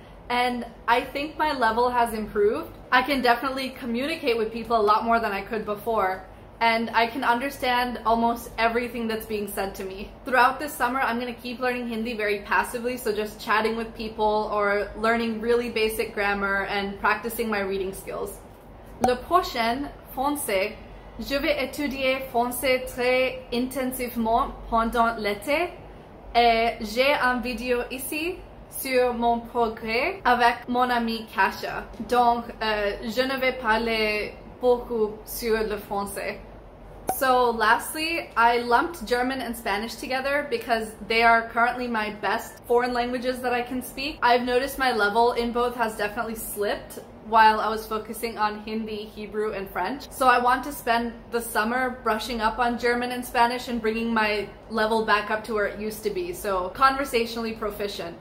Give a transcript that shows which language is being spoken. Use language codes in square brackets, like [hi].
[en] And I think my level has improved. I can definitely communicate with people a lot more than I could before, and I can understand almost everything that's being said to me. Throughout this summer, I'm gonna keep learning Hindi very passively, so just chatting with people or learning really basic grammar and practicing my reading skills. [fr] Le prochain français, je vais étudier français très intensivement pendant l'été et j'ai un vidéo ici sur mon progrès avec mon ami Kasia. Donc, je ne vais parler beaucoup sur le français. [en] So lastly, I lumped German and Spanish together because they are currently my best foreign languages that I can speak. I've noticed my level in both has definitely slipped while I was focusing on Hindi, Hebrew, and French. So I want to spend the summer brushing up on German and Spanish and bringing my level back up to where it used to be, so conversationally proficient.